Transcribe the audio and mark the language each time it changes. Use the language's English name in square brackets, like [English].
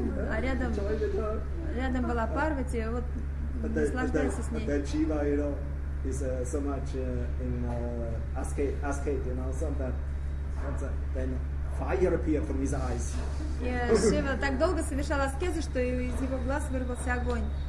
[Russian] А рядом была Парвати, вот наслаждайся с ней. [English] Shiva, you know, is so much in ascate, you know, sometimes then fire appeared from his eyes. [Russian] Шива так долго совершал аскезы, что из его глаз вырвался огонь.